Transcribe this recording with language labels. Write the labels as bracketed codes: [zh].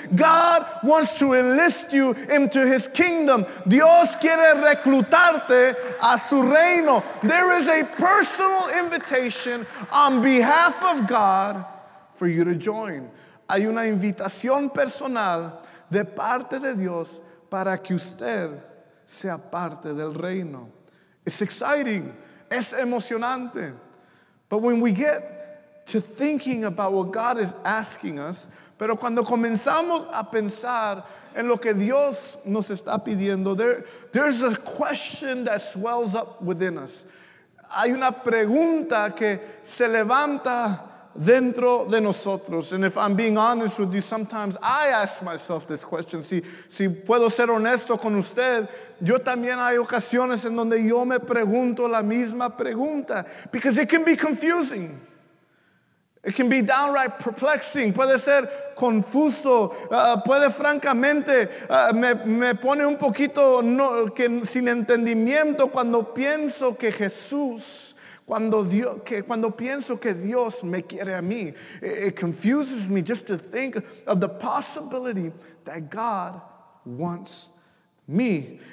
[en] God wants to enlist you into his kingdom. [es] Dios quiere reclutarte a su reino. [en] There is a personal invitation on behalf of God for you to join. [es] Hay una invitación personal de parte de Dios para que usted sea parte del reino. [en] It's exciting. [es] Es emocionante. [en] But when we get to thinking about what God is asking us, [es] pero cuando comenzamos a pensar en lo que Dios nos está pidiendo, [en] there's a question that swells up within us. [es] Hay una pregunta que se levanta dentro de nosotros. [en] And if I'm being honest with you, sometimes I ask myself this question. [es] Si puedo ser honesto con usted, yo también hay ocasiones en donde yo me pregunto la misma pregunta. [en] Because it can be confusing. It can be downright perplexing. [es] Puede ser confuso. Puede francamente me pone un poquito sin entendimiento cuando pienso que Jesús, Cuando pienso que Dios me quiere a mí, [en] it confuses me just to think of the possibility that God wants me.